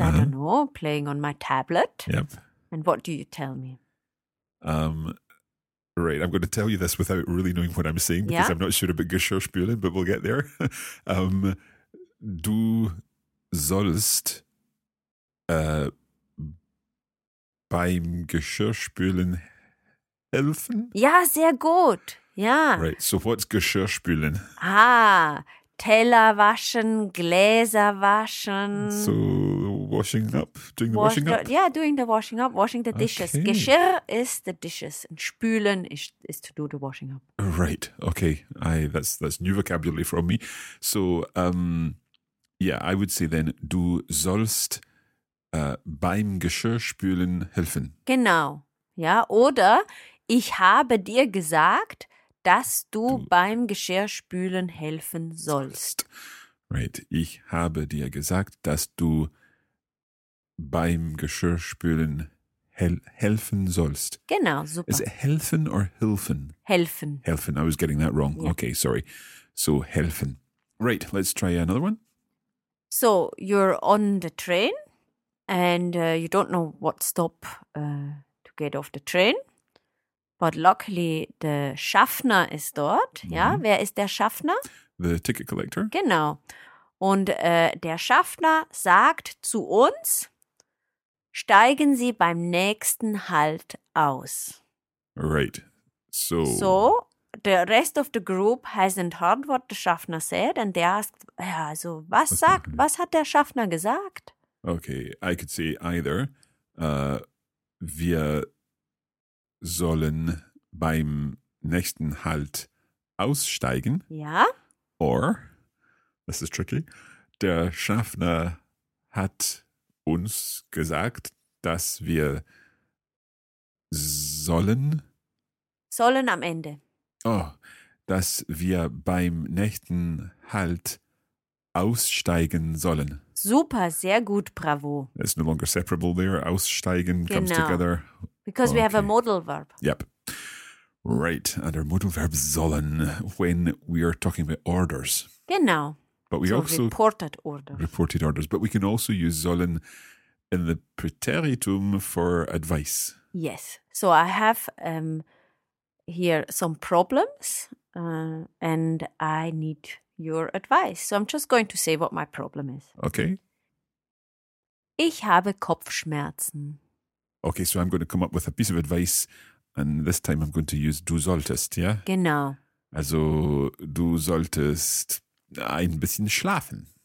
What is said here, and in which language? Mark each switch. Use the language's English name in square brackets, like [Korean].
[English] Uh-huh. I don't know, playing on my tablet. Yep. And what do you tell me? Right, I'm going to tell you this without really knowing what I'm saying because I'm not sure about Geschirrspülen, but we'll get there. [German] Du sollst beim Geschirrspülen helfen? Ja, sehr gut. Ja. [English] Right, so what's Geschirrspülen? [German] Ah, Teller waschen, Gläser waschen. [English] So washing up? Yeah, doing the washing up, washing the dishes. Okay. Geschirr is the dishes and spülen is to do the washing up. Right, okay. That's new vocabulary from me. So, I would say then, [German] du sollst beim Geschirrspülen helfen. Genau, ja. Oder ich habe dir gesagt, dass du beim Geschirrspülen helfen sollst. [English] Right. [German] Ich habe dir gesagt, dass du beim Geschirrspülen helfen sollst. Genau, super. [English] Is it helfen or hilfen? [German] Helfen. Helfen. [English] I was getting that wrong. Yeah. Okay, sorry. So, helfen. Right, let's try another one. So, you're on the train and you don't know what stop to get off the train. But luckily, the Schaffner is dort. Mm-hmm. [German] Ja, wer ist der Schaffner? [English] The ticket collector. [German] Genau. Und der Schaffner sagt zu uns, steigen Sie beim nächsten Halt aus. [English] Right. So. So, the rest of the group hasn't heard what the Schaffner said. And they asked, [German] ja, also, was hat der Schaffner gesagt? [English] Okay, I could say either. [German] Wir sollen beim nächsten Halt aussteigen. Ja. [English] Or, this is tricky, [German] der Schaffner hat uns gesagt, dass wir sollen. Sollen am Ende. Oh, dass wir beim nächsten Halt aussteigen sollen. Super, sehr gut, bravo. [English] It's no longer separable there. Aussteigen comes together. Because we have a modal verb. Yep. Right, and our modal verb sollen when we are talking about orders. [German] Genau. [English] But we so also reported orders. Reported orders. But we can also use sollen in the preteritum for advice. Yes. So I have here some problems and I need your advice. So I'm just going to say what my problem is. Okay. [German] Ich habe Kopfschmerzen. [English] Okay, so I'm going to come up with a piece of advice and this time I'm going to use [German] du solltest, [English] yeah? [German] Genau. Also du solltest ein bisschen schlafen.